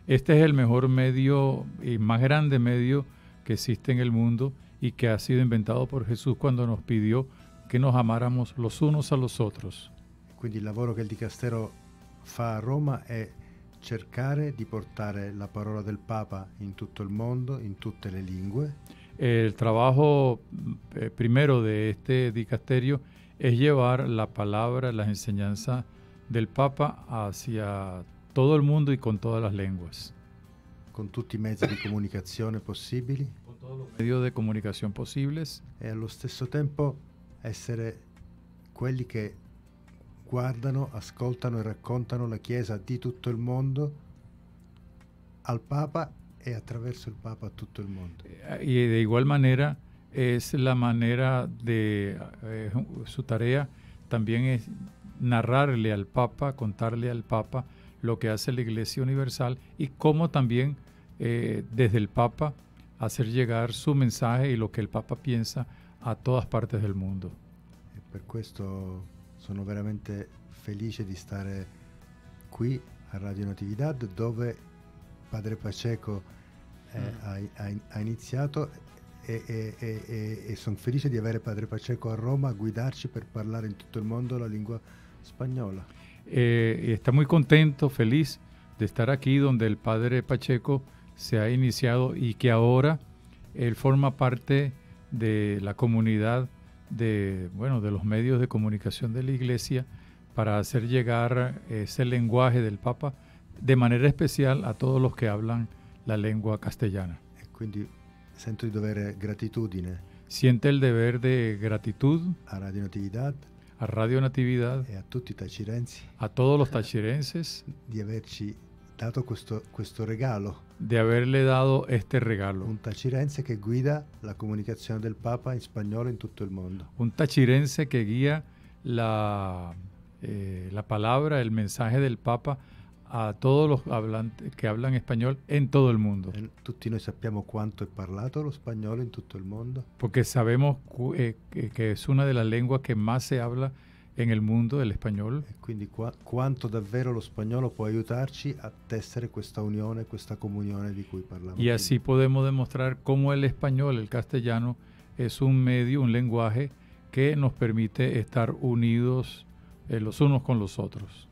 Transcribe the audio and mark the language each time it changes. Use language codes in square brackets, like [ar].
[es] Este es el mejor medio y más grande medio que existe en el mundo y que ha sido inventado por Jesús cuando nos pidió que nos amáramos los unos a los otros. [it] Quindi il lavoro che il dicastero fa a Roma è cercare di portare la parola del Papa in tutto il mondo, in tutte le lingue. [es] El trabajo primero de este dicasterio es llevar la palabra, las enseñanzas del Papa hacia todo el mundo y con todas las lenguas. [it] Con tutti i mezzi di comunicazione possibili. [es] Con todos los medios de comunicación posibles. [it] E allo stesso tempo essere quelli che guardano, ascoltano e raccontano la Chiesa di tutto il mondo al Papa e attraverso il Papa a tutto il mondo. [es] Y de igual manera es la manera de su tarea también es narrarle al Papa, contarle al Papa lo que hace la Iglesia Universal y cómo también desde el Papa hacer llegar su mensaje y lo que el Papa piensa a todas partes del mundo. [it] E per questo sono veramente felice di stare qui a Radio Natividad, dove Padre Pacheco ha iniziato e sono felice di avere Padre Pacheco a Roma a guidarci per parlare in tutto il mondo la lingua spagnola. [es] Está muy contento, feliz de estar aquí donde el Padre Pacheco se ha iniciado y que ahora él forma parte de la comunidad de, bueno, de los medios de comunicación de la Iglesia para hacer llegar ese lenguaje del Papa de manera especial a todos los que hablan la lengua castellana. [it] Quindi sento il dovere gratitudine. [es] Siente el deber de gratitud a Radio Natividad. A Radio Natividad. [it] E a tutti i tachirensi. [es] A todos los tachirenses. [it] Di averci dato questo regalo. [es] De haberle dado este regalo. Un tachirense que guida la comunicación del Papa en español en todo el mundo. Un tachirense que guía la palabra, el mensaje del Papa a todos los hablantes que hablan español en todo el mundo. [it] Tutti noi sappiamo quanto è parlato lo spagnolo in tutto il mondo. [es] Porque sabemos que es una de las lenguas que más se habla en el mundo, el español. [it] E quindi quanto davvero lo spagnolo può aiutarci a tessere questa unione, questa comunione di cui parlavamo. [es] Y así podemos demostrar cómo el español, el castellano, es un medio, un lenguaje que nos permite estar unidos los unos con los otros.